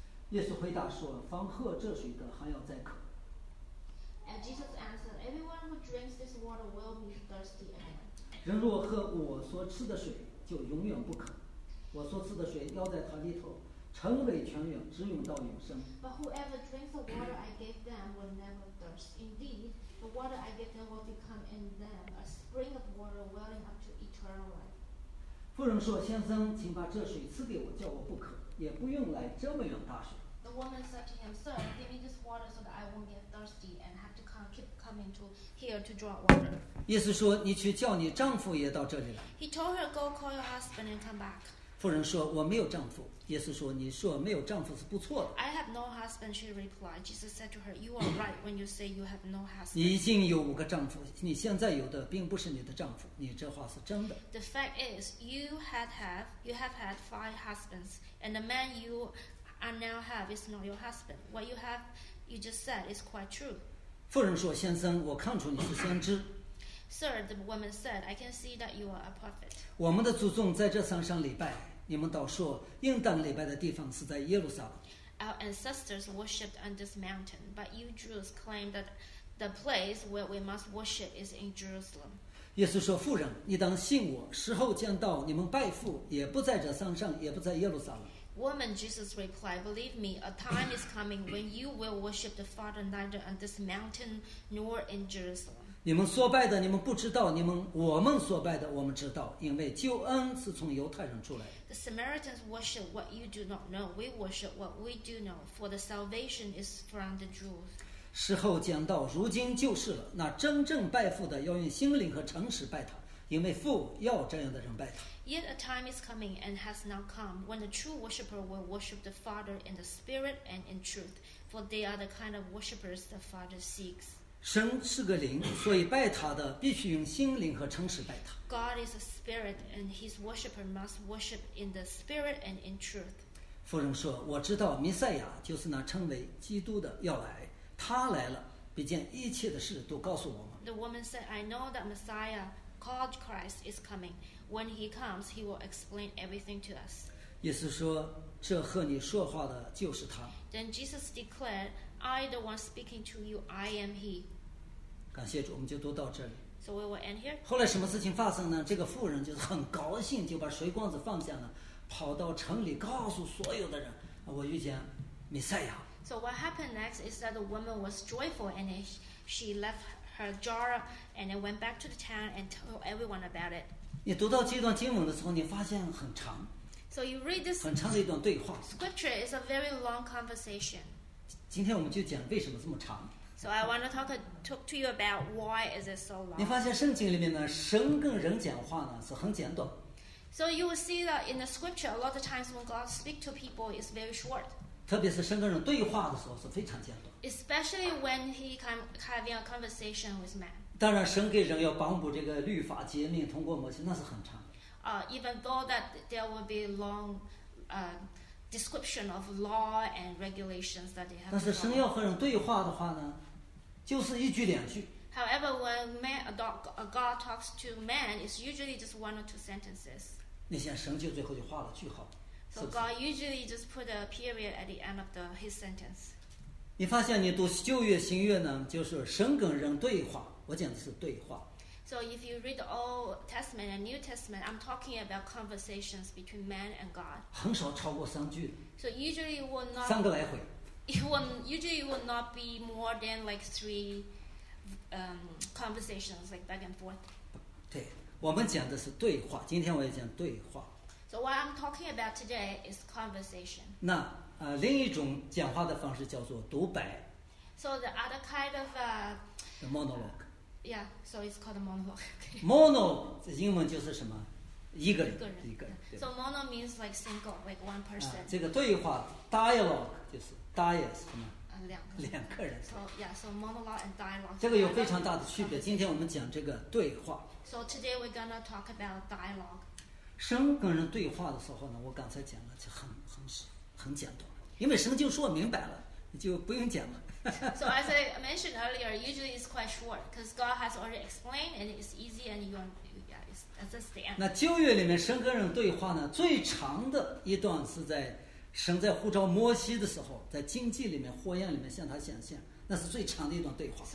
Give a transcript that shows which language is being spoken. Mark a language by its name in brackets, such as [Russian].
[Chinese] 耶稣回答说：“凡喝这水的，还要再渴。” [English] And Jesus answered, "Everyone who drinks this water will be thirsty again." [Chinese] 人若喝我所赐的水，就永远不渴。我所赐的水要在他里头。成为泉源，直涌到永生。 [English] But whoever drinks the water I give them will never thirst. Indeed, the water I give them will become in them a spring of water welling up to eternal life. [Chinese] 妇人说：“先生，请把这水赐给我，叫我不渴，也不用来这么远打水。” [English] The woman said to him, "Sir, give me this water so that I won't get thirsty and have to keep coming to here to draw water." [Chinese] 意思说：“你去叫你丈夫也到这里来。” [English] He told her, "Go call your husband and come back." [Chinese] 妇人说：“我没有丈夫。” 耶稣说：“你说没有丈夫是不错的。” [English] I have no husband, she replied. Jesus said to her, "You are right when you say you have no husband." [Chinese] 你已经有五个丈夫，你现在有的并不是你的丈夫，你这话是真的。 [English] The fact is, you have had five husbands, and the man you are now have is not your husband. What you just said is quite true. [Chinese] 妇人说：“先生，我看出你是先知。” [English] Sir, the woman said, "I can see that you are a prophet." [Chinese] 我们的祖宗在这山上礼拜。你们倒说应当礼拜的地方是在耶路撒冷。 [English] Our ancestors worshipped on this mountain, but you Jews claim that the place where we must worship is in Jerusalem. [Chinese] 耶稣说：“妇人，你当信我，时候将到，你们拜父也不在这山上，也不在耶路撒冷。” [English] Woman, Jesus replied, "Believe me, a time is coming when you will worship the Father neither on this mountain nor in Jerusalem." [Chinese] 你们所拜的你们不知道，你们我们所拜的我们知道，因为救恩是从犹太人出来的。 [English] The Samaritans worship what you do not know, we worship what we do know, for the salvation is from the Jews. [Chinese] 时候将到，如今就是了，那真正拜父的要用心灵和诚实拜他，因为父要这样的人拜他。 [English] Yet a time is coming and has now come when the true worshipper will worship the Father in the spirit and in truth, for they are the kind of worshippers the Father seeks. [Chinese] 神是个灵，所以拜他的必须用心灵和诚实拜他。 [English] God is a spirit and his worshipper must worship in the spirit and in truth. [Chinese] 妇人说，我知道弥赛亚就是那称为基督的要来，他来了必将一切的事都告诉我们。 [English] The woman said, I know that Messiah called Christ is coming. When he comes, he will explain everything to us. [Chinese] 意思说，这和你说话的就是他。 [English] Then Jesus declared,I, the one speaking to you, I am he. [Chinese] 感谢主，我们就读到这里。 [English] So we will end here. [Chinese] 后来什么事情发生呢？这个妇人就是很高兴，就把水罐子放下了，跑到城里告诉所有的人，我遇见弥赛亚。 [English] So what happened next is that the woman was joyful and she left her jar and then went back to the town and told everyone about it. [Chinese] 你读到这段经文的时候，你发现很长。 [English] So you read this. [Chinese] 很长的一段对话。 [English] Scripture is a very long conversation. [Chinese] 今天我们就讲为什么这么长。 [English] So I want to talk to you about why is it so long. [Chinese] 你发现圣经里面呢，神跟人讲话呢是很简短。 [English] So you will see that in the scripture, a lot of times when God speaks to people, it's very short. [Chinese] 特别是神跟人对话的时候是非常简短。 [English] Especially when he comes having a conversation with man. [Chinese] 当然，神给人要颁布这个律法诫命，通过摩西，那是很长。 [English] Even though that there will be long, description of law and regulations that they have. [Chinese] 但是神要和人对话的话呢，就是一句两句。 [English] However, when man a God talks to man, it's usually just one or two sentences. [Chinese] 那些神就最后就画了句号。 [English] So God usually just put a period at the end of his sentence. [Chinese] 你发现你读旧约新约呢，就是神跟人对话，我讲的是对话。 [English] So if you read the Old Testament and New Testament, I'm talking about conversations between man and God. [Chinese] 很少超过三句。 [English] So usually it will not [Chinese] 三个来回。 [English] It will usually be more than like three conversations, like back and forth. [Chinese] 对，我们讲的是对话。今天我也讲对话。 [English] So what I'm talking about today is conversation. [Chinese] 那另一种讲话的方式叫做独白。 [English] So the other kind of the monologue. Yeah, so it's called a monologue. [Chinese] Mono 在英文就是什么？一个人，一个人。 [English] So mono means like single, like one person. [Chinese] 这个对话 dialogue 就是 dialogue 什么？两个人。 [English] So yeah, so monologue and dialogue. [Chinese] 这个有非常大的区别。今天我们讲这个对话。 [English] So today we're gonna talk about dialogue. [Chinese] 神跟人对话的时候呢，我刚才讲了，就很简短，因为神就说明白了，你就不用讲了。 [English] So as I mentioned earlier, usually it's quite short because God has already explained and it's easy and that's the end. [Chinese] 那旧约里面神跟人对话呢，最长的一段是在神在呼召摩西的时候，在荆棘里面火焰里面向他显现，那是最长的一段对话。